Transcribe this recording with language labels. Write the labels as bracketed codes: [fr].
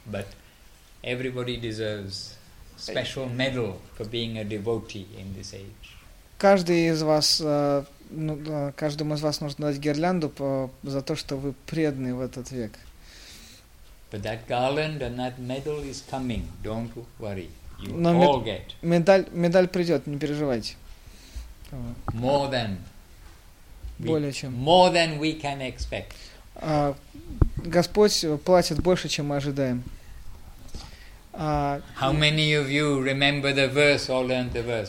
[en] But everybody deserves special medal for being a devotee in this age. [ru] Каждый из вас, каждому из вас нужно дать гирлянду за то, что вы преданы в этот век. [en] But that garland and that medal is coming. Don't worry. You all get. [ru] Медаль придет, не переживайте. [en] More than we can expect. [ru] Господь платит больше, чем мы ожидаем. [en] How many of you remember the verse or learned the verse?